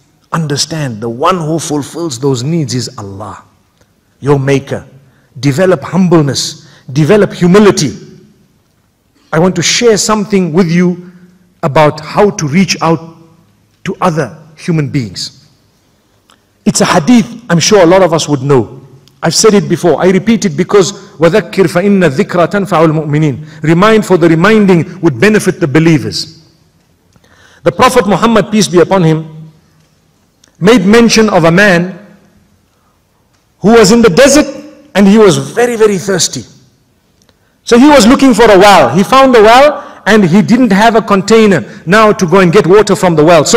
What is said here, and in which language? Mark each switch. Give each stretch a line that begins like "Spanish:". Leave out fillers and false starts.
English: Understand, the one who fulfills those needs is Allah, your maker. Develop humbleness, develop humility. I want to share something with you about how to reach out to other human beings. It's a hadith I'm sure a lot of us would know. I've said it before. I repeat it because
Arabic: وَذَكِّرْ فَإِنَّ الذِّكْرَ تَنْفَعُ الْمُؤْمِنِينَ.
English: Remind, for the reminding would benefit the believers. The Prophet Muhammad, peace be upon him, made mention of a man who was in the desert and he was very, very thirsty. So he was looking for a well. He found a well and he didn't have a container now to go and get water from the well.